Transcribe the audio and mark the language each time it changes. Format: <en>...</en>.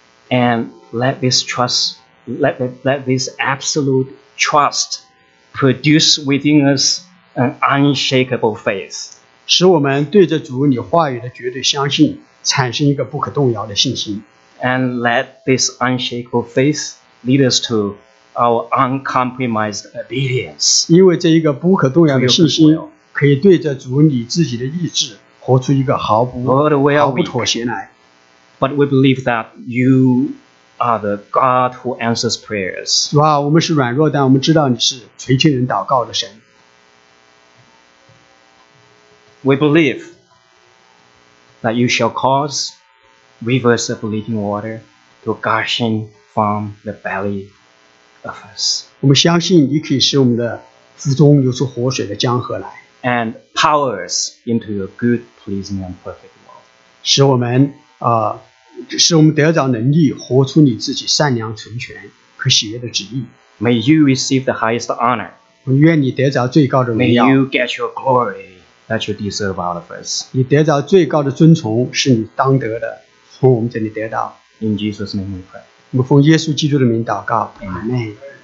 <en>and let this trust, let this absolute trust produce within us an unshakable faith.</en> <zh>使我们对着主你话语的绝对相信, 产生一个不可动摇的信心,</zh> <en>and let this unshakable faith lead us to our uncompromised obedience.</en> <zh>因为这一个不可动摇的信心, 可以对着主你自己的意志活出一个毫不</zh> <en>Lord, we are</en> <zh>毫不妥协来。</zh> <en>But we believe that you are the God who answers prayers.</en> <zh>主啊，我们是软弱，但我们知道你是垂听人祷告的神。</zh> <en>We believe that you shall cause rivers of living water to gush in from the belly of us.</en> <zh>我们相信你可以使我们的腹中流出活水的江河来。</zh> <en>And power us into your good, pleasing, and perfect will.</en> <zh>使我们使我们得着能力，活出你自己善良、成全和喜悦的旨意。</zh> <en>May you receive the highest honor.</en> <zh>愿你得着最高的荣耀。</zh> <en>May you get your glory that you deserve out of us.</en> <zh>你得着最高的尊崇是你当得的，从我们这里得到。</zh> <en>In Jesus' name we pray.</en> <zh>我们奉耶稣基督的名祷告。阿门。</zh>